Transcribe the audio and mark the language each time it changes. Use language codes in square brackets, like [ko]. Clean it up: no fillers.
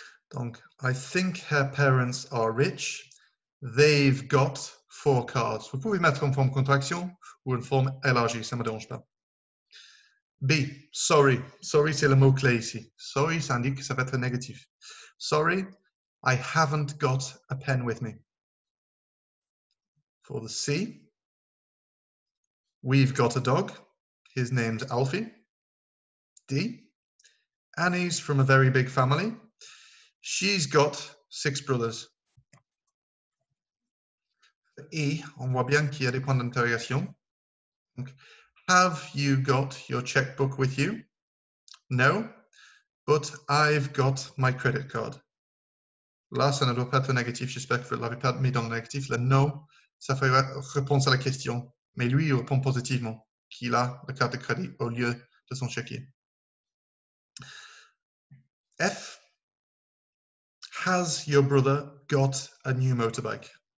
[en] Donc, I think her parents are rich. They've got 4 cars. [fr] Vous pouvez mettre en forme contraction ou en forme élargie, ça ne me dérange pas. B, sorry. Sorry, c'est le mot clé ici. Sorry, ça indique que ça va être négatif. [en] Sorry, I haven't got a pen with me. For the C, we've got a dog. His name's Alfie. D, Annie's from a very big family. She's got 6 brothers. [fr] E, on voit bien qu'il y a des points d'interrogation. [en] Donc, have you got your checkbook with you? No, but I've got my credit card. [fr] Là, ça ne doit pas être négatif, j'espère que vous ne l'avez pas mis dans le négatif. Le no, ça fait réponse à la question. Mais lui, il répond positivement qu'il a la carte de crédit au lieu de son chéquier. [en] F, has your brother got a new motorbike?